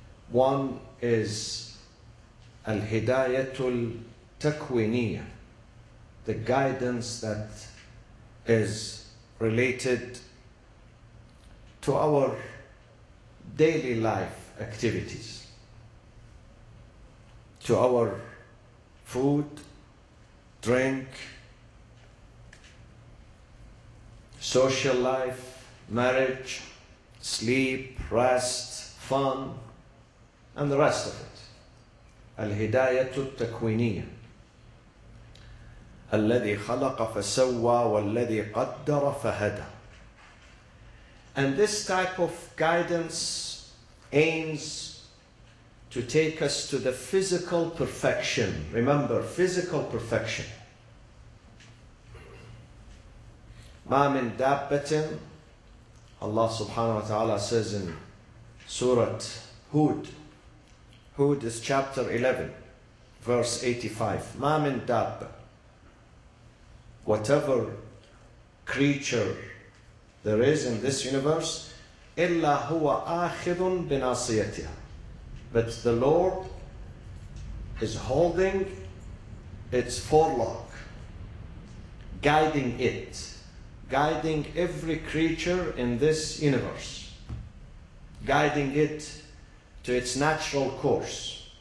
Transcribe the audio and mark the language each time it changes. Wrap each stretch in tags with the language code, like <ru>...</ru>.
<en>One is al-hidayatul takwiniyya, the guidance that is related to our daily life activities, to our food, drink, social life, marriage, sleep, rest, fun, and the rest of it.</en> <ar>Al-hidayatu takwiniyya. الذي خلق فسوى والذي قدر فهدى.</ar> <en>And this type of guidance aims to take us to the physical perfection. Remember, physical perfection.</en> <ar>ما من دابة، الله سبحانه وتعالى</ar> <en>says in Surah Hud. Hud is chapter 11, verse 85.</en> <ar>ما من دابة.</ar> <en>Whatever creature there is in this universe,</en> <ar>illa huwa akhidhun binasiyatiha.</ar> <en>But the Lord is holding its forelock, guiding it, guiding every creature in this universe, guiding it to its natural course.</en>